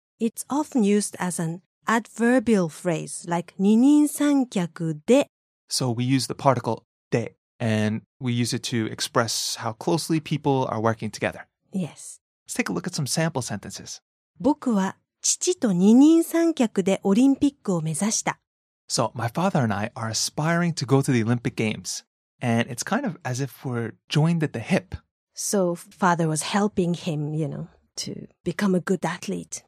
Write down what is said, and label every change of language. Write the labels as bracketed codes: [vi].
[en] It's often used as an adverbial phrase, like [ja] 二人三脚で. [en] So we use the particle で, and we use it to express how closely people are working together. Yes. Let's take a look at some sample sentences. [ja] 僕は父と二人三脚でオリンピックを目指した. [en] So my father and I are aspiring to go to the Olympic Games, and it's kind of as if we're joined at the hip. So father was helping him, you know, to become a good athlete.